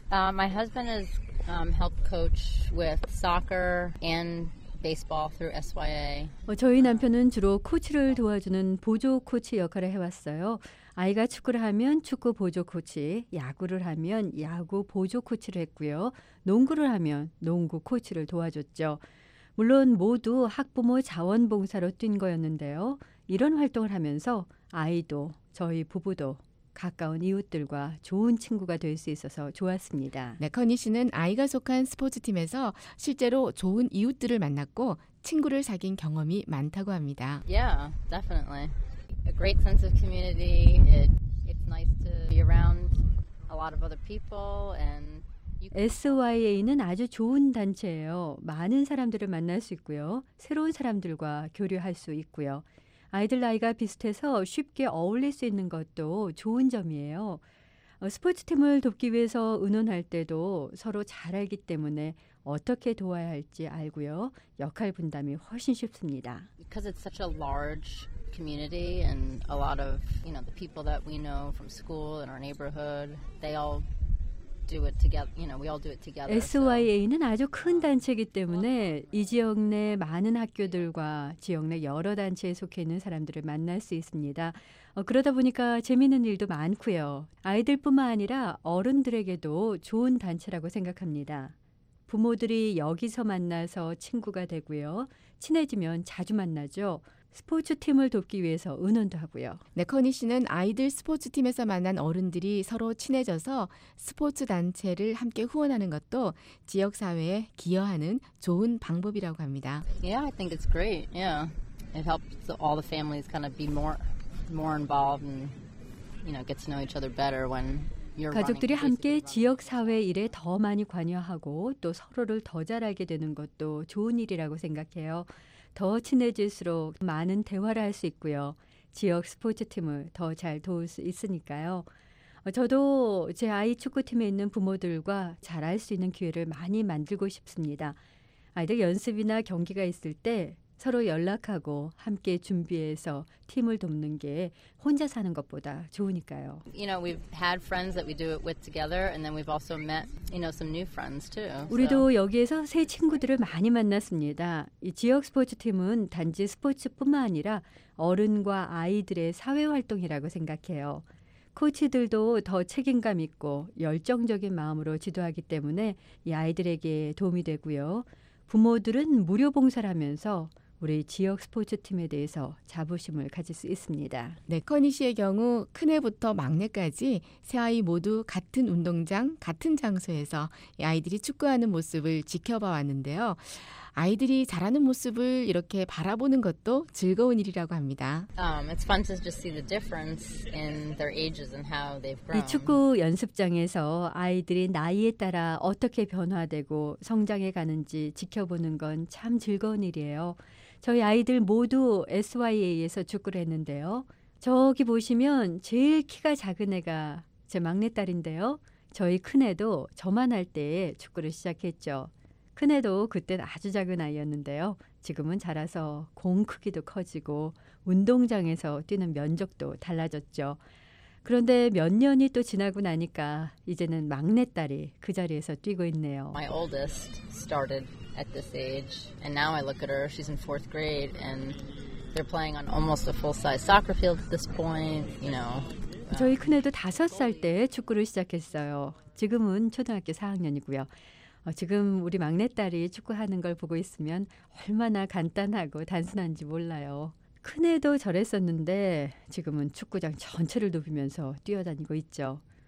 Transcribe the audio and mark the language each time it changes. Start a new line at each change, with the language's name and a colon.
English: My husband has helped coach with soccer and baseball through SYA.
Korean: 저희 남편은 주로 코치를 도와주는 보조 코치 역할을 해왔어요. 아이가 축구를 하면 축구 보조 코치, 야구를 하면 야구 보조 코치를 했고요. 농구를 하면 농구 코치를 도와줬죠. 물론 모두 학부모 자원봉사로 뛴 거였는데요. 이런 활동을 하면서 아이도 저희 부부도 가까운 이웃들과 좋은 친구가 될 수 있어서 좋았습니다. 네, 커니 씨는 아이가 속한 스포츠팀에서 실제로 좋은 이웃들을 만났고 친구를 사귄 경험이 많다고 합니다.
English: Yeah, definitely. A great sense of community. It's nice to be around a lot of other people and
Korean: SYA는 아주 좋은 단체예요. 많은 사람들을 만날 수 있고요. 새로운 사람들과 교류할 수 있고요. 아이들 나이가 비슷해서 쉽게 어울릴 수 있는 것도 좋은 점이에요. 스포츠팀을 돕기 위해서 의논할 때도 서로 잘 알기 때문에 어떻게 도와야 할지 알고요. 역할 분담이 훨씬 쉽습니다.
English: Because it's such a large community and a lot of, you know, the people that we know from school and our neighborhood, they all
Korean: SYA는 아주 큰 단체이기 때문에 이 지역 내 많은 학교들과 지역 내 여러 단체에 속해 있는 사람들을 만날 수 있습니다. 그러다 보니까 재미있는 일도 많고요. 아이들뿐만 아니라 어른들에게도 좋은 단체라고 생각합니다. 부모들이 여기서 만나서 친구가 되고요. 친해지면 자주 만나죠. 스포츠팀을 돕기 위해서 의논도 하고요. 네, 커니 씨는 아이들 스포츠팀에서 만난 어른들이 서로 친해져서 스포츠 단체를 함께 후원하는 것도 지역사회에 기여하는 좋은 방법이라고 합니다.
English: Yeah, I think it's great. Yeah, it helps all the families kind of be more involved and, you know, get to know each other better when
Korean: 가족들이 함께 지역사회 일에 더 많이 관여하고 또 서로를 더 잘 알게 되는 것도 좋은 일이라고 생각해요. 더 친해질수록 많은 대화를 할 수 있고요. 지역 스포츠팀을 더 잘 도울 수 있으니까요. 저도 제 아이 축구팀에 있는 부모들과 잘할 수 있는 기회를 많이 만들고 싶습니다. 아이들 연습이나 경기가 있을 때 서로 연락하고 함께 준비해서 팀을 돕는 게 혼자 사는 것보다 좋으니까요.
English: You know, we've had friends that we do it with together and then we've also met, you know, some new friends too.
Korean: 우리도 여기에서 새 친구들을 많이 만났습니다. 이 지역 스포츠 팀은 단지 스포츠뿐만 아니라 어른과 아이들의 사회 활동이라고 생각해요. 코치들도 더 책임감 있고 열정적인 마음으로 지도하기 때문에 이 아이들에게 도움이 되고요. 부모들은 무료 봉사를 하면서 우리 지역 스포츠팀에 대해서 자부심을 가질 수 있습니다. 네, 커니 씨의 경우 큰애부터 막내까지 세 아이 모두 같은 운동장, 같은 장소에서 이 아이들이 축구하는 모습을 지켜봐 왔는데요. 아이들이 잘하는 모습을 이렇게 바라보는 것도 즐거운 일이라고 합니다.
English: It's fun to just see the difference in their ages and how they've grown.
Korean: 이 축구 연습장에서 아이들이 나이에 따라 어떻게 변화되고 성장해 가는지 지켜보는 건 참 즐거운 일이에요. 저희 아이들 모두 SYA에서 축구를 했는데요. 저기 보시면 제일 키가 작은 애가 제 막내딸인데요. 저희 큰애도 저만 할 때 축구를 시작했죠. 큰애도 그때는 아주 작은 아이였는데요. 지금은 자라서 공 크기도 커지고 운동장에서 뛰는 면적도 달라졌죠. 그런데 몇 년이 또 지나고 나니까 이제는 막내딸이 그 자리에서 뛰고 있네요.
English: My oldest started at this age and now I look at her. She's in fourth grade and they're playing on almost a full-size soccer field at this point, you know.
Korean: 저희 큰애도 다섯 살 때 축구를 시작했어요. 지금은 초등학교 4학년이고요. 지금 우리 막내딸이 축구하는 걸 보고 있으면 얼마나 간단하고 단순한지 몰라요. 큰애도 저랬었는데 지금은 축구장 전체를 누비면서 뛰어다니고 있죠.